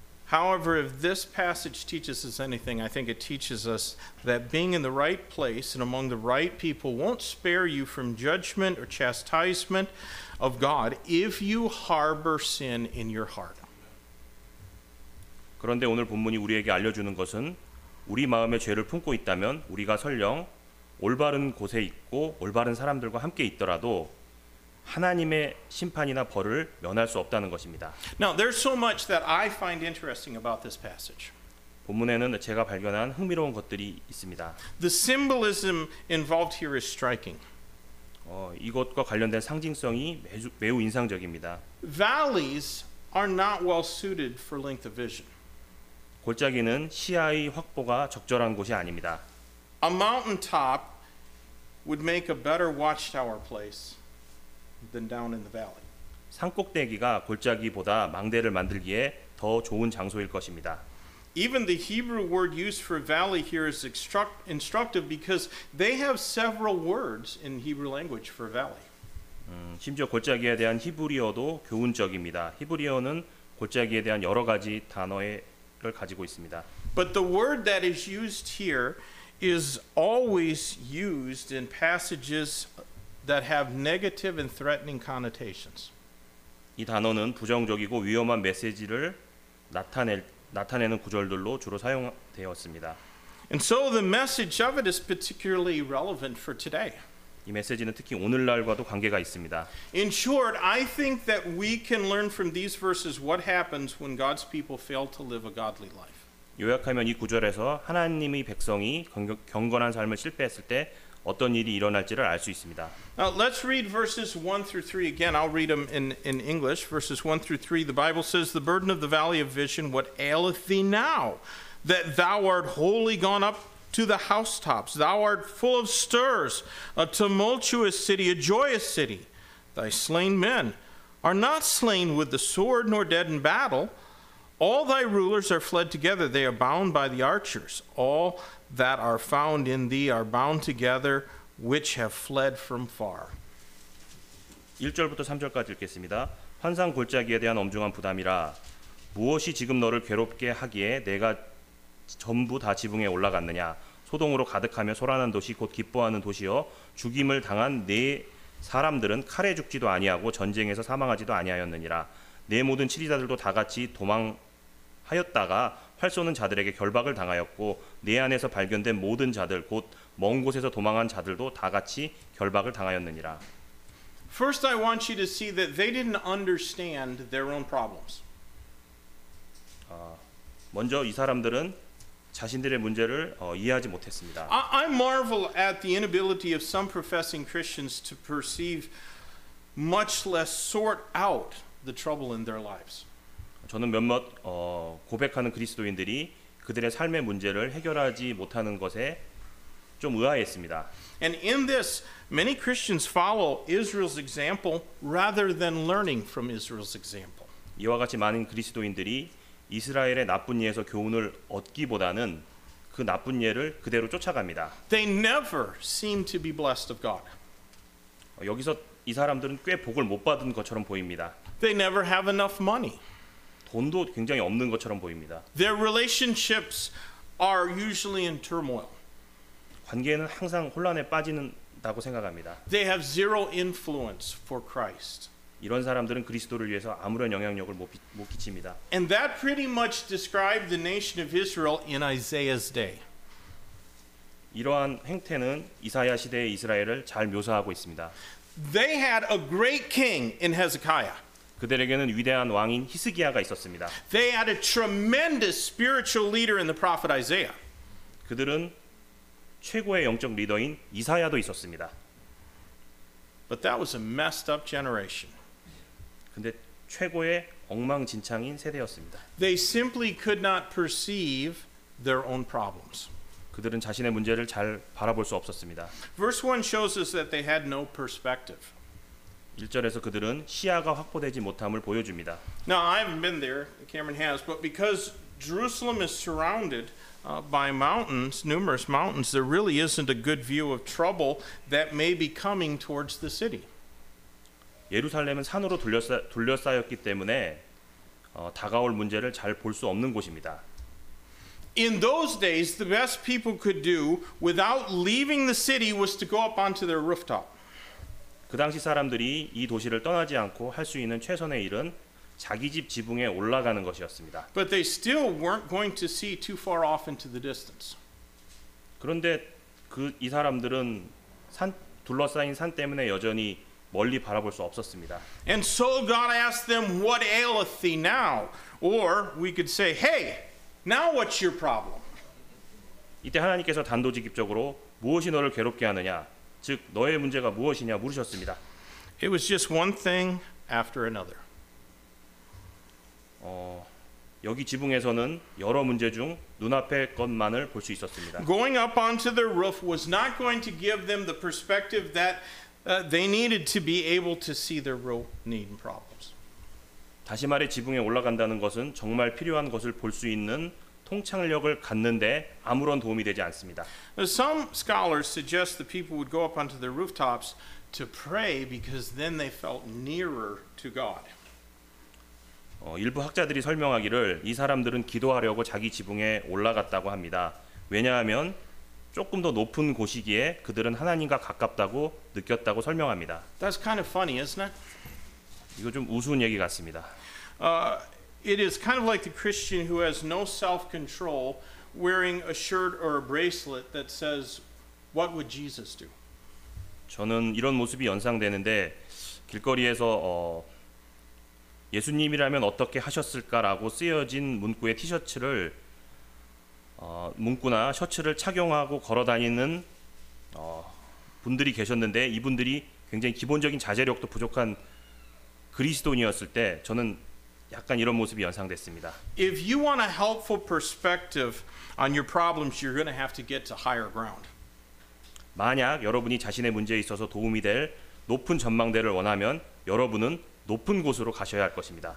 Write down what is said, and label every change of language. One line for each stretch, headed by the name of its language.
English: However, if this passage teaches us anything, I think it teaches us that being in the right place and among the right people won't spare you from judgment or chastisement of God if you harbor sin in your heart.
Korean: 그런데 오늘 본문이 우리에게 알려주는 것은 우리 마음에 죄를 품고 있다면 우리가 설령 올바른 곳에 있고 올바른 사람들과 함께 있더라도 하나님의 심판이나 벌을 면할 수 없다는 것입니다.
English: Now there's so much that I find interesting about this passage.
Korean: 본문에는 제가 발견한 흥미로운 것들이 있습니다.
English: The symbolism involved here is striking.
Korean: 이것과 관련된 상징성이 매우 인상적입니다.
English: Valleys are not well suited for length of vision.
Korean: 골짜기는 시야의 확보가 적절한 곳이 아닙니다.
English: A mountaintop would make a better watchtower place. Than down in the valley.
Korean: 산꼭대기가 골짜기보다 망대를 만들기에 더 좋은 장소일 것입니다.
English: Even the Hebrew word used for valley here is instructive because they have several words in Hebrew language for valley.
Korean: 심지어 골짜기에 대한 히브리어도 교훈적입니다. 히브리어는 골짜기에 대한 여러 가지 단어를 가지고 있습니다.
English: But the word that is used here is always used in passages that have negative and threatening connotations.
Korean: 이 단어는 부정적이고 위험한 메시지를 나타내는 구절들로 주로 사용되었습니다.
English: And so the message of it is particularly relevant for today.
Korean: 이 메시지는 특히 오늘날과도 관계가 있습니다.
English: In short, I think that we can learn from these verses what happens when God's people fail to live a godly life.
Korean: 요약하면 이 구절에서 하나님의 백성이 경건한 삶을 실패했을 때 어떤 일이 일어날지를 알 수 있습니다.
English: Now let's read verses 1 through 3 again. I'll read them in English. Verses 1 through 3. The Bible says, "The burden of the valley of vision, what aileth thee now? That thou art wholly gone up to the housetops. Thou art full of stirs, a tumultuous city, a joyous city. Thy slain men are not slain with the sword, nor dead in battle. All thy rulers are fled together. They are bound by the archers. All that are found in thee are bound together, which have fled from far."
Korean: 1절부터 3절까지 읽겠습니다. 환상 골짜기에 대한 엄중한 부담이라. 무엇이 지금 너를 괴롭게 하기에 내가 전부 다 지붕에 올라갔느냐. 소동으로 가득하며 소란한 도시 곧 기뻐하는 도시여, 죽임을 당한 네 사람들은 칼에 죽지도 아니하고 전쟁에서 사망하지도 아니하였느니라. 내 모든 치리자들도 다 같이 도망하였다가 활 쏘는 자들에게 결박을 당하였고, 내 안에서 발견된 모든 자들 곧 먼 곳에서 도망한 자들도 다 같이 결박을 당하였느니라.
English: First, I want you to see that they didn't understand their own problems.
Korean: 먼저 이 사람들은 자신들의 문제를 이해하지 못했습니다.
English: I marvel at the inability of some professing Christians to perceive, much less sort out, the trouble in their lives.
Korean: 저는 몇몇 고백하는 그리스도인들이 그들의 삶의 문제를 해결하지 못하는 것에 좀 의아했습니다.
English: And in this, many Christians follow Israel's example rather than learning from Israel's example.
Korean: 이와 같이 많은 그리스도인들이 이스라엘의 나쁜 예에서 교훈을 얻기보다는 그 나쁜 예를 그대로 쫓아갑니다.
English: They never seem to be blessed of God.
Korean: 여기서 이 사람들은 꽤 복을 못 받은 것처럼 보입니다.
English: They never have enough money.
Korean: 돈도 굉장히 없는 것처럼 보입니다.
English: Their relationships are usually in turmoil.
Korean: 관계는 항상 혼란에 빠진다고 생각합니다.
English: They have zero influence for Christ.
Korean: 이런 사람들은 그리스도를 위해서 아무런 영향력을 못 끼칩니다.
English: And that pretty much described the nation of Israel in Isaiah's day.
Korean: 이러한 행태는 이사야 시대의 이스라엘을 잘 묘사하고 있습니다.
English: They had a great king in Hezekiah.
Korean: 그들에게는 위대한 왕인 히스기야가 있었습니다.
English: They had a tremendous spiritual leader in the prophet Isaiah.
Korean: 그들은 최고의 영적 리더인 이사야도 있었습니다.
English: But that was a messed up generation.
Korean: 근데 최고의 엉망진창인 세대였습니다.
English: They simply could not perceive their own problems.
Korean: 그들은 자신의 문제를 잘 바라볼 수 없었습니다.
English: Verse 1 shows us that they had no perspective.
Korean: 1절에서 그들은 시야가 확보되지 못함을 보여줍니다.
English: Now I haven't been there, Cameron has, but because Jerusalem is surrounded by mountains, numerous mountains, there really isn't a good view of trouble that may be coming towards the city.
Korean: 예루살렘은 산으로 둘러싸였기 때문에 다가올 문제를 잘 볼 수 없는 곳입니다.
English: In those days, the best people could do without leaving the city was to go up onto their rooftop.
Korean: 그 당시 사람들이 이 도시를 떠나지 않고 할 수 있는 최선의 일은 자기 집 지붕에 올라가는 것이었습니다.
English: But they still weren't going to see too far off into the distance.
Korean: 그런데 이 사람들은 둘러싸인 산 때문에 여전히 멀리 바라볼 수 없었습니다.
English: And so God asked them, "What aileth thee now?" Or we could say, "Hey, now what's your problem?"
Korean: 이때 하나님께서 단도직입적으로 무엇이 너를 괴롭게 하느냐, 즉 너의 문제가 무엇이냐 물으셨습니다.
English: It was just one thing after another.
Korean: 여기 지붕에서는 여러 문제 중 눈앞의 것만을 볼 수 있었습니다.
English: Going up onto the roof was not going to give them the perspective that they needed to be able to see their real need and problems.
Korean: 다시 말해 지붕에 올라간다는 것은 정말 필요한 것을 볼 수 있는 통찰력을 갖는 데 아무런 도움이 되지 않습니다.
English: Some scholars suggest the people would go up onto the rooftops to pray because then they felt nearer to God.
Korean: 일부 학자들이 설명하기를 이 사람들은 기도하려고 자기 지붕에 올라갔다고 합니다. 왜냐하면 조금 더 높은 곳이기에 그들은 하나님과 가깝다고 느꼈다고 설명합니다.
English: That's kind of funny, isn't it?
Korean: 이거 좀 우스운 얘기 같습니다.
English: It is kind of like the Christian who has no self-control wearing a shirt or a bracelet that says, "What would Jesus do?"
Korean: 저는 이런 모습이 연상되는데 길거리에서 예수님이라면 어떻게 하셨을까라고 쓰여진 문구의 티셔츠를 문구나 셔츠를 착용하고 걸어다니는 분들이 계셨는데 이분들이 굉장히 기본적인 자제력도 부족한 그리스도인이었을 때 저는 약간 이런 모습이 연상됐습니다.
English: If you want a helpful perspective on your problems, you're going to have to get to higher ground.
Korean: 만약 여러분이 자신의 문제에 있어서 도움이 될 높은 전망대를 원하면 여러분은 높은 곳으로 가셔야 할 것입니다.